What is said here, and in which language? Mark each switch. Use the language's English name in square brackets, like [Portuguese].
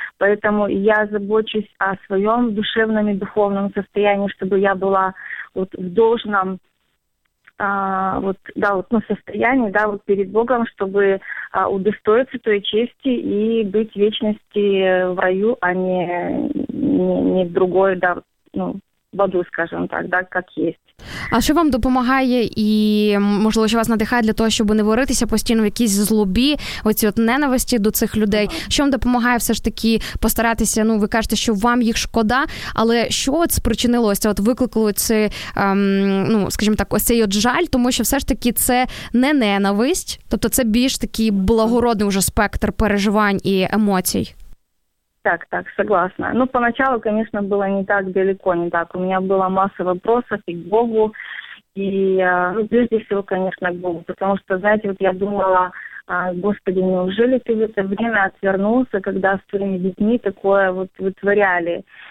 [Russian] Поэтому я забочусь о своем душевном и духовном состоянии, чтобы я была вот в должном состоянии, да, вот перед Богом, чтобы удостоиться той чести и быть в вечности в раю, а не в другой, да, ну, в аду, скажем так, да, как есть. [Ukrainian] А що вам допомагає і, можливо, що вас надихає для того, щоб не варитися постійно в якійсь злобі, оці от ненависті до цих людей? Що вам допомагає все ж таки постаратися, ну, ви кажете, що вам їх шкода, але що от спричинилося, от викликало це, ну, скажімо так, ось цей от жаль, тому що все ж таки це не ненависть, тобто це більш такий благородний вже спектр переживань і емоцій. [Russian] Так, согласна. Ну, поначалу, конечно, было не так далеко, не так. У меня было масса вопросов и к Богу, и, ну, прежде всего, конечно, к Богу. Потому что, знаете, вот я думала, Господи, неужели ты в это время отвернулся, когда с твоими детьми такое вот вытворяли?